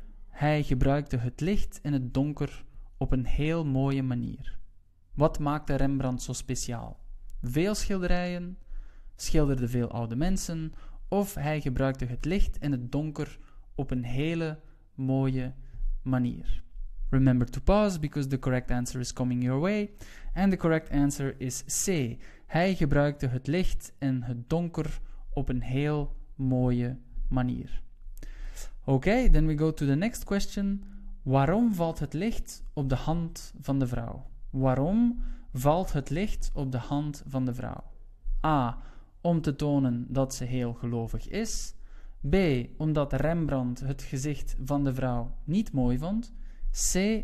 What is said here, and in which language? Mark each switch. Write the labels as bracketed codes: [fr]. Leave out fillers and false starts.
[nl] Hij gebruikte het licht en het donker op een heel mooie manier. Wat maakte Rembrandt zo speciaal? Veel schilderijen, schilderde veel oude mensen, of hij gebruikte het licht en het donker op een hele mooie manier. [en] Remember to pause because the correct answer is coming your way. And the correct answer is C. [nl] Hij gebruikte het licht en het donker op een heel mooie manier. [en] Okay, then we go to the next question. [nl] Waarom valt het licht op de hand van de vrouw? Waarom valt het licht op de hand van de vrouw? A. Om te tonen dat ze heel gelovig is. B. Omdat Rembrandt het gezicht van de vrouw niet mooi vond. C.